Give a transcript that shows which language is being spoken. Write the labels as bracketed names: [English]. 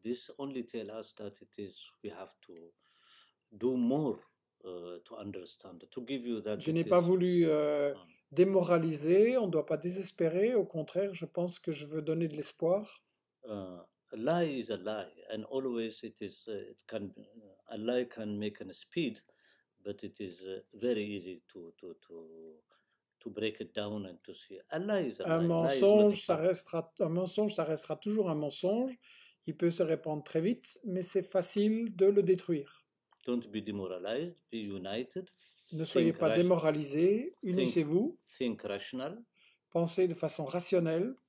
[English] This only tells us that it is we have to do more to understand. To give you that. [French] Je n'ai pas voulu démoraliser. On ne doit pas désespérer. Au contraire, je pense que je veux donner de l'espoir. [English] A lie is a lie, and always it is. It can a lie can make a speed, but it is very easy to break it down and to see. A lie is a lie. [French] Un mensonge, ça restera toujours un mensonge. Il peut se répandre très vite, mais c'est facile de le détruire. [English] Don't be demoralized, be united. [French] Ne soyez pas démoralisé, unissez-vous. [English] Think rational. [French] Pensez de façon rationnelle.